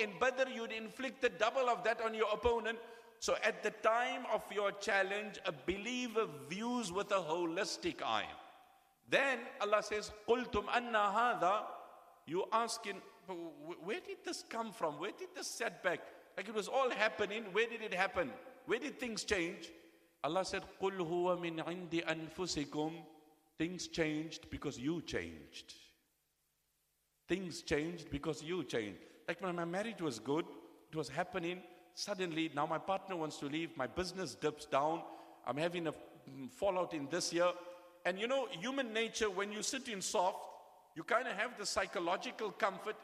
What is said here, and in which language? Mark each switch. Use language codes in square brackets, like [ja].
[en] In Badr, you'd inflict the double of that on your opponent. So at the time of your challenge, a believer views with a holistic eye. Then Allah says, [ar] قُلْتُمْ أَنَّ هَذَا. [en] You asking, where did this come from? Where did this setback? Like it was all happening. Where did it happen? Where did things change? Allah said, [ar] قُلْ هُوَ مِنْ عِنْدِ أَنفُسِكُمْ. [en] Things changed because you changed. Things changed because you changed. Like when my marriage was good, it was happening. Suddenly, now my partner wants to leave. My business dips down. I'm having a fallout in this year. And you know, human nature, when you sit in soft, you kind of have the psychological comfort.